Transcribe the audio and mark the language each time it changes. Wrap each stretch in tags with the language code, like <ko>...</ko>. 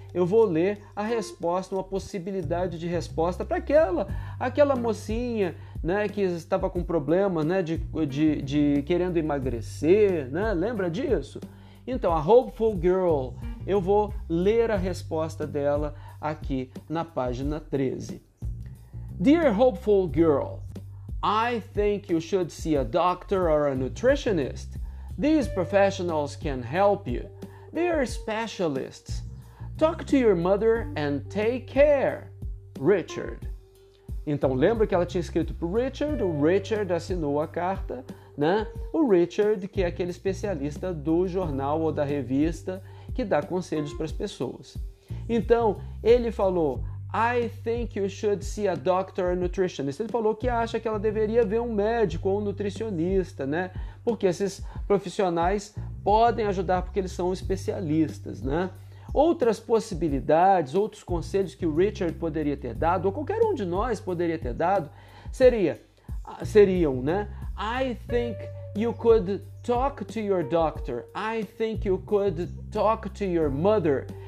<pt>Eu vou ler a resposta, uma possibilidade de resposta para aquela mocinha, né, que estava com problema, né, de querendo emagrecer, né? Lembra disso? Então, a Hopeful Girl, eu vou ler a resposta dela aqui na página 13.</pt> <en>Dear Hopeful Girl, I think you should see a doctor or a nutritionist. These professionals can help you. They are specialists. Talk to your mother and take care. Richard.</en> <pt>Então, lembra que ela tinha escrito para Richard? O Richard assinou a carta, né? O Richard, que é aquele especialista do jornal ou da revista que dá conselhos para as pessoas. Então, ele falou,</pt> <en>I think you should see a doctor or nutritionist.</en> <pt>Ele falou que acha que ela deveria ver um médico ou um nutricionista, né? Porque esses profissionais podem ajudar porque eles são especialistas, né? Outras possibilidades, outros conselhos que o Richard poderia ter dado, ou qualquer um de nós poderia ter dado, seriam, né?</pt> <en>I think you could talk to your doctor. I think you could talk to your mother.</en>